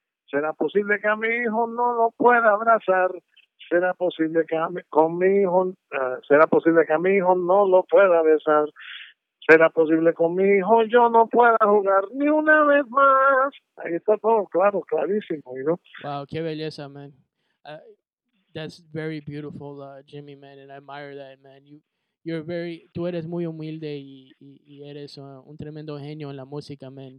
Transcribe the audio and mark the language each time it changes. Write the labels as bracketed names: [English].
[Spanish] ¿Será posible que a mi hijo no lo pueda abrazar? ¿Será posible que a mi hijo no lo pueda besar? ¿Será posible con mi hijo yo no pueda jugar ni una vez más? Ahí está todo claro, clarísimo, ¿no? Wow, qué belleza, man. [English] That's very beautiful, Jimmy, man, and I admire that, man. [Spanish] Tú eres muy humilde y eres un tremendo genio en la música, man.